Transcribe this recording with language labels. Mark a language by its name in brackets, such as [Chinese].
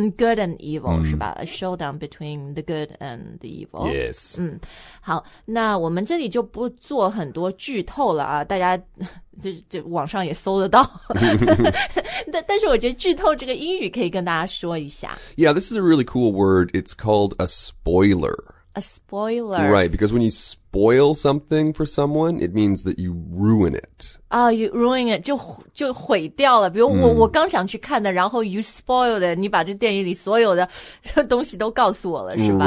[English] Good and evil,、 [Chinese] 是吧 [English] ?A showdown between the good and the evil. Yes. [Chinese] 好，那我们这里就不做很多剧透了啊，大家就网上也搜得到。但是我觉得剧透这个英语可以跟大家说一下。 [English] Yeah, this is a really cool word. It's called a spoiler. A spoiler. Right, because when you spoil something for someone, it means that you ruin it. Oh, you ruin it, [Chinese] 就毁掉了。比如我刚想去看的，然后 [English] you spoiled it, [Chinese] 你把这电影里所有的东西都告诉我了，是吧？